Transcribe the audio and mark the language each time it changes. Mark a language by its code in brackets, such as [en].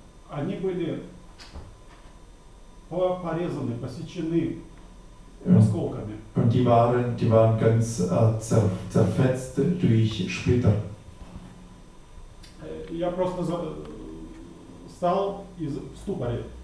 [ru] Они были порезаны, посечены осколками. [de] Und die waren ganz zerfetzt durch Splitter. [ru] Я просто стал из ступоре.